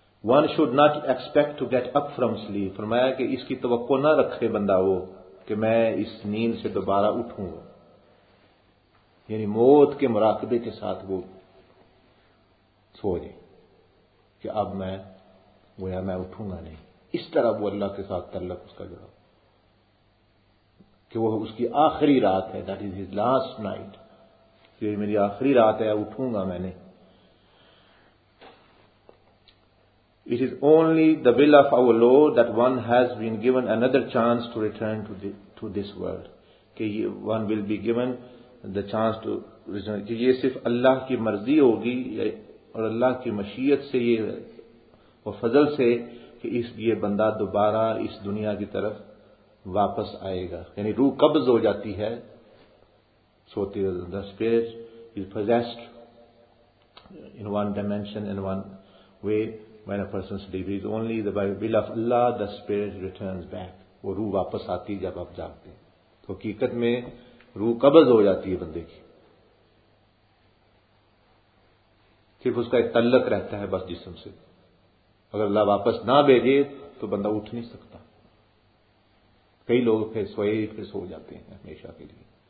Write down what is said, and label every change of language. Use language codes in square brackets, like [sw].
[en] One should not expect to get up from sleep. [ur] فرمایا کہ اس کی توقع نہ رکھے بندہ وہ کہ میں اس نیند سے دوبارہ اٹھوں گا, یعنی موت کے مراقبے کے ساتھ وہ سو جائے کہ اب میں گویا میں اٹھوں گا نہیں. اس طرح وہ اللہ کے ساتھ تعلق اس کا جڑا کہ وہ اس کی آخری رات ہے, [en] that is his last night, [ur] یہ میری آخری رات ہے, اٹھوں گا میں نے. [en] It is only the will of our Lord that one has been given another chance to return to this world. That one will be given the chance to return. That this is only Allah's will and the mercy of Allah and His grace that this man will come back to this world. That is, the soul is taken away. So the spirit is possessed in one dimension, in one way. When a person sleeps, it is only the will of Allah the spirit returns back. [ur] وہ روح واپس آتی جب آپ جاگتے ہیں. تو حقیقت میں روح قبض ہو جاتی ہے بندے کی, صرف اس کا ایک تعلق رہتا ہے بس جسم سے. اگر اللہ واپس نہ بھیجے تو بندہ اٹھ نہیں سکتا. کئی لوگ پھر سوئے پھر سو جاتے ہیں ہمیشہ کے لیے.